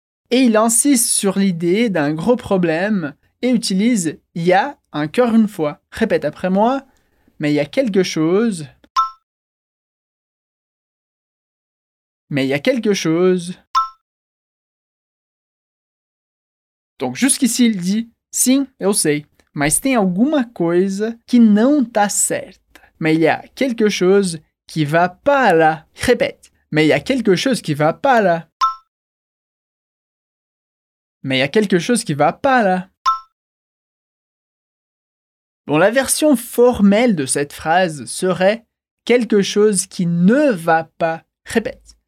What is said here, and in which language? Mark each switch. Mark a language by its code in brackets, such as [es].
[fr] Et il insiste sur l'idée d'un gros problème et utilise « y a » encore une fois. Répète après moi, « Mais il y a quelque chose. » Mais il y a quelque chose. Donc jusqu'ici il dit [pt] « Sim, eu sei. » Mas tem alguma coisa que não tá certa. [fr] Mais il y a quelque chose qui va pas là. Répète. Mais il y a quelque chose qui va pas là. Mais il y a quelque chose qui va pas là. Bon, la version formelle de cette phrase serait « quelque chose qui ne va pas ». Répète.